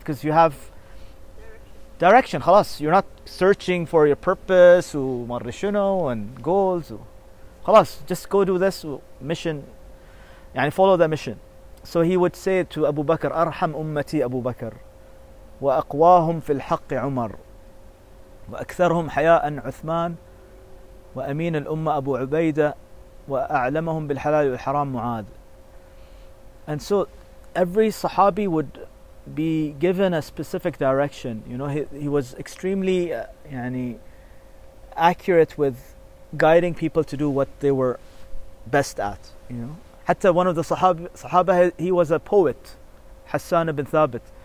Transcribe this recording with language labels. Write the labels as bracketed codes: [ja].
[en] Because you have direction, khalas. You're not searching for your purpose, marishuno, and goals. Khalas, just go do this mission. Yani follow the mission. So he would say to Abu Bakr, [ar] Arham ummati Abu Bakr. وأقواهم في الحق عمر وأكثرهم حياء عثمان وأمين الأمة أبو عبيدة وأعلمهم بالحلال والحرام معاذ. [en] And so every Sahabi would be given a specific direction. You know, he was extremely accurate with guiding people to do what they were best at. You know, حتى one of the Sahaba, he was a poet, Hassan ibn Thabit.